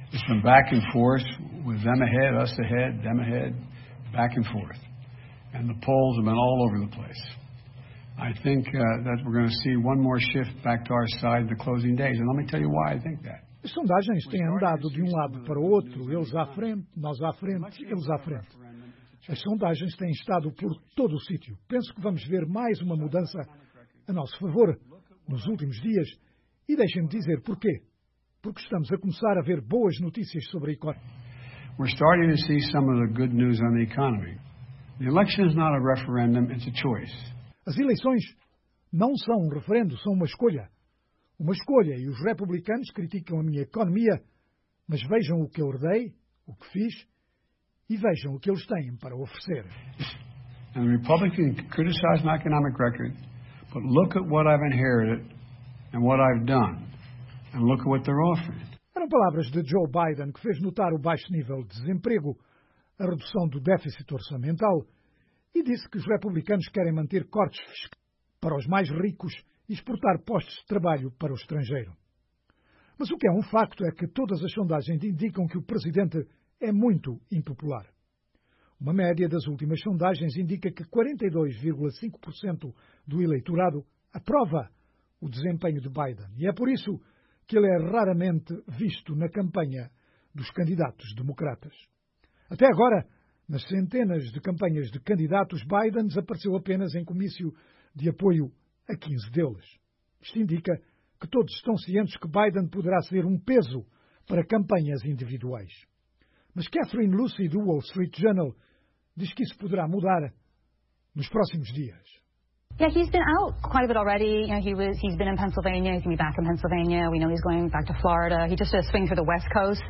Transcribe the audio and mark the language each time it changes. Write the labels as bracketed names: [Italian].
[English] It's been back and forth with them ahead, us ahead, them ahead, back and forth. And the polls have been all over the place. I think that we're going to see one more shift back to our side in the closing days. And let me tell you why I think that. [Portuguese] As sondagens têm andado de um lado para o outro, eles à frente, nós à frente, eles à frente. As sondagens têm estado por todo o sítio. Penso que vamos ver mais uma mudança a nosso favor nos últimos dias. E deixem-me dizer porquê. Porque estamos a começar a ver boas notícias sobre a economia. [English] We're starting to see some of the good news on the economy. The election is not a referendum, it's a choice. [Portuguese] As eleições não são um referendo, são uma escolha. Uma escolha, e os republicanos criticam a minha economia, mas vejam o que eu herdei, o que fiz, e vejam o que eles têm para oferecer. [English] And the Republicans criticize my economic record, but look at what I've inherited and what I've done, and look at what they're offering. [Portuguese] Eram palavras de Joe Biden, que fez notar o baixo nível de desemprego, a redução do déficit orçamental, e disse que os republicanos querem manter cortes fiscais para os mais ricos e exportar postos de trabalho para o estrangeiro. Mas o que é um facto é que todas as sondagens indicam que o presidente é muito impopular. Uma média das últimas sondagens indica que 42,5% do eleitorado aprova o desempenho de Biden, e é por isso que ele é raramente visto na campanha dos candidatos democratas. Até agora, nas centenas de campanhas de candidatos, Biden desapareceu apenas em comício de apoio a 15 deles. Isto indica que todos estão cientes que Biden poderá ser um peso para campanhas individuais. Mas Catherine Lucy, do Wall Street Journal, diz que isso poderá mudar nos próximos dias. [English] Yeah, he's been out quite a bit already. You know, he's been in Pennsylvania. He's going to be back in Pennsylvania. We know he's going back to Florida. He just did a swing through the West Coast.